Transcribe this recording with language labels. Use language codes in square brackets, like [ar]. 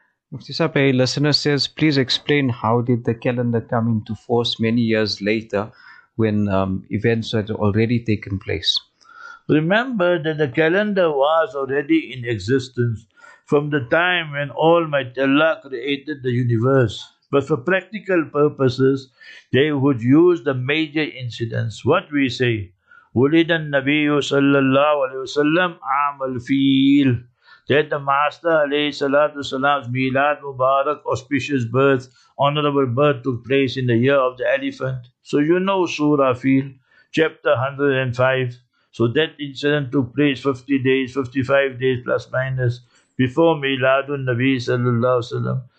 [en] Mufti Sahib, a listener says, please explain how did the calendar come into force many years later when events had already taken place? Remember that the calendar was already in existence from the time when Almighty Allah created the universe. But for practical purposes, they would use the major incidents. What we say, [ar] وُلِدَ النَّبِيُّ صَلَّى اللَّهُ عَلَيْهِ وَسَلَّمُ عَامَ الْفِيلِ. [en] That the Master alayhi salatu salam's Milad Mubarak, auspicious birth, honorable birth took place in the year of the elephant. So you know Surah Fil, chapter 105. So that incident took place 50 days, 55 days plus minus before Miladun Nabi sallallahu alayhi wa sallam.